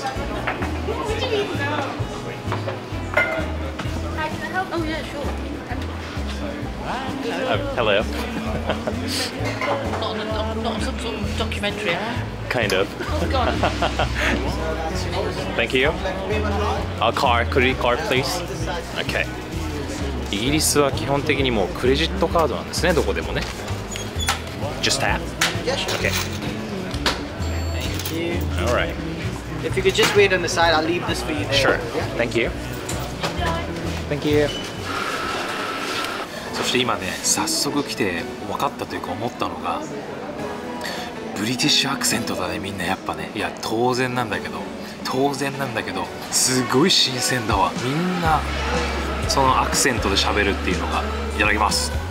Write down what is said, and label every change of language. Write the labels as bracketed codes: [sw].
[en] Hi, can I help? Oh, yeah, sure. Hello. not some sort of documentary, huh? Kind of. Oh, go on. Thank you. A car, could you car, please? Okay. [ja] イギリスは基本的にもうクレジットカードなんですね、どこでもね。 [en] Just that? Yeah, sure. Okay. You. All right. If you could just wait on the side, I'll leave this for you there. Sure. Thank you. Thank you. [ja] そして今ね、早速来て分かったというか思ったのが、ブリティッシュアクセントだね、みんなやっぱね。いや、当然なんだけど、当然なんだけど、すごい新鮮だわ。みんなそのアクセントで喋るっていうのが。いただきます。